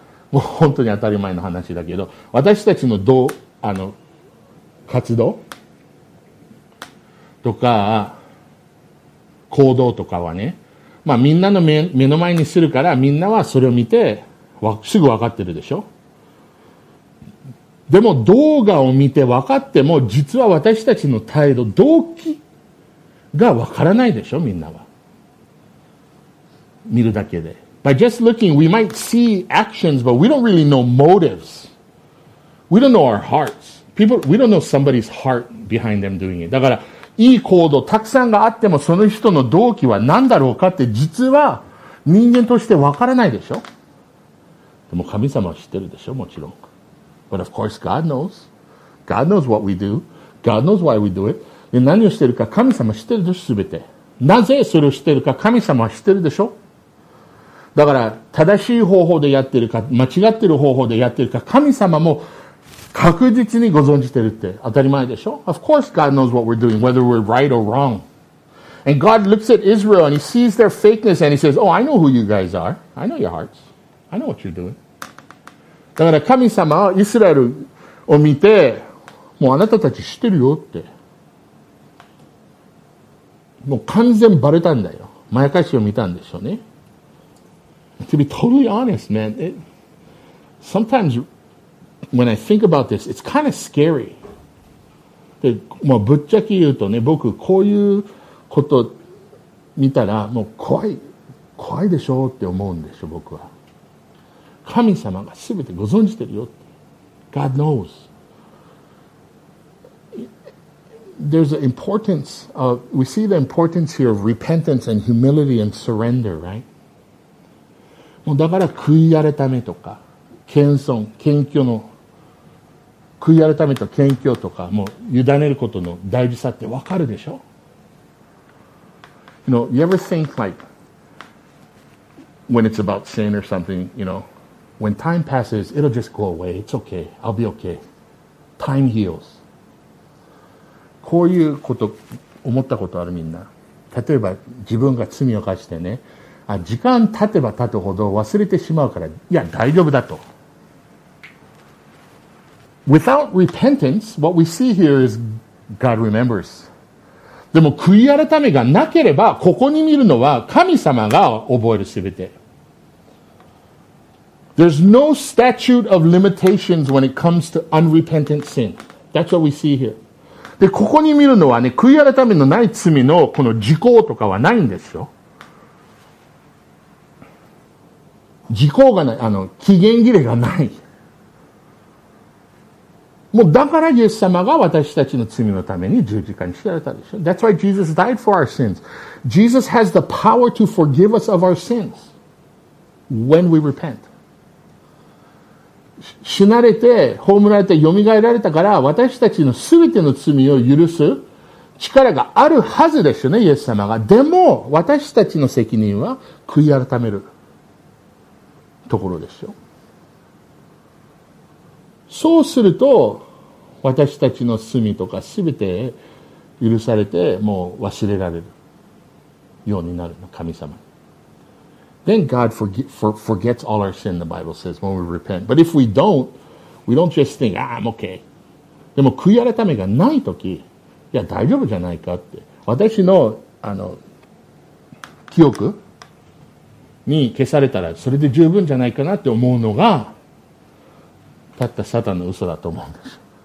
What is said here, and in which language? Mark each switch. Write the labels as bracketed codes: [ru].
[ja] もう本当に当たり前の話だけど、私たちの活動とか、行動とかはね、まあみんなの目の前にするから、みんなはそれを見て、すぐ分かってるでしょ？でも動画を見て分かっても、実は私たちの態度、動機が分からないでしょ、みんなは。見るだけで。 [en] By just looking, we might see actions, but we don't really know motives. We don't know our hearts. People, we don't know somebody's heart behind them doing it. [ja] だから、いい行動たくさんがあっても、その人の動機は何だろうかって、実は人間としてわからないでしょ。でも神様は知ってるでしょ、もちろん。 [en] But of course, God knows. God knows what we do. God knows why we do it. [ja] で、何をしてるか神様知ってるでしょ、すべて。なぜそれをしているか神様は知ってるでしょ。だから正しい方法でやってるか間違ってる方法でやってるか神様も確実にご存じてるって当たり前でしょ。 [en] Of course God knows what we're doing, whether we're right or wrong. And God looks at Israel and he sees their fakeness and he says, Oh, I know who you guys are. I know your hearts. I know what you're doing. [ja] だから神様はイスラエルを見て、もうあなたたち知ってるよって。もう完全バレたんだよ。まやかしを見たんでしょうね。 [en] To be totally honest, man, sometimes when I think about this, it's kind of scary. [ja] で、まあ、ぶっちゃけ言うとね、僕こういうこと見たらもう怖い、怖いでしょうって思うんでしょ、僕は。神様が全てご存じてるよって。 [en] God knows. There's an importance of, we see the importance here of repentance and humility and surrender, right? [ja] もうだから悔い改めとか謙遜謙虚の悔い改めと謙虚とかもう委ねることの大事さってわかるでしょ。 [en] You know, you ever think like when it's about sin or something, you know, when time passes, it'll just go away. It's okay. I'll be okay. Time heals. [ja] こういうこと思ったことある、みんな。例えば自分が罪を犯してね、あ、時間経てば経つほど忘れてしまうから、いや、大丈夫だと。 [en] Without repentance, what we see here is God remembers. [ja] でも、悔い改めがなければ、ここに見るのは神様が覚えるすべて。 [en] There's no statute of limitations when it comes to unrepentant sin. That's what we see here. [ja] で、ここに見るのはね、悔い改めのない罪のこの時効とかはないんですよ。時効がない、あの期限切れがない。もうだからイエス様が私たちの罪のために十字架に死なれたでしょ。 [en] That's why Jesus died for our sins. Jesus has the power to forgive us of our sins when we repent. [ja] 死なれて葬られて蘇られたから私たちの全ての罪を許す力があるはずでしょね、イエス様が。でも私たちの責任は悔い改めるところですよ。そうすると私たちの罪とか全て許されてもう忘れられるようになるの、神様。 [en] Then God forgets all our sin, the Bible says, when we repent. But if we don't just think, ah, I'm okay. [ja] でも悔い改めがない時、いや大丈夫じゃないかって、私のあの記憶に消されたらそれで十分じゃないかなって思うのがたったサタンの嘘だと思うんです。